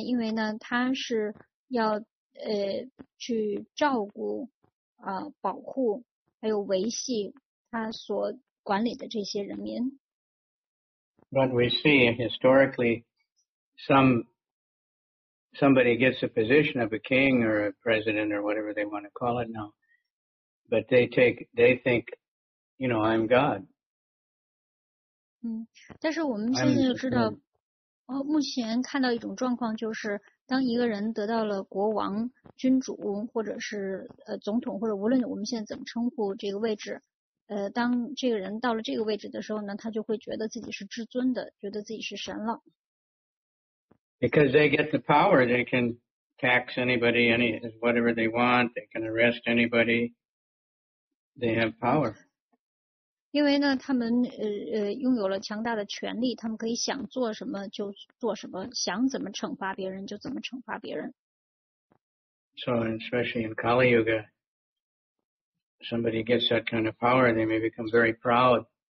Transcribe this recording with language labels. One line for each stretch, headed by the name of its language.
Chinese: 因为呢，他是要去照顾保护还有维系他所管理的这些人民。
English: But we see historically somebody gets a position of a king or a president or whatever they want to call it now, but they think, you know, I'm God.
Chinese: 但是我们现在就知道目前看到一种状况，就是当一个人得到了国王、君主或者是总统，或者无论我们现在怎么称呼这个位置，当这个人到了这个位置的时候呢，他就会觉得自己是至尊的，觉得自己是神了。
English: Because they get the power, they can tax anybody, whatever they want, they can arrest anybody, they have power.
Chinese: 因为呢，他们拥有了强大的权力，他们可以想做什么就做什么，想怎么惩罚别人就怎么惩罚别人。
English: So especially in Kali Yuga, somebody gets that kind of power, they may become very proud.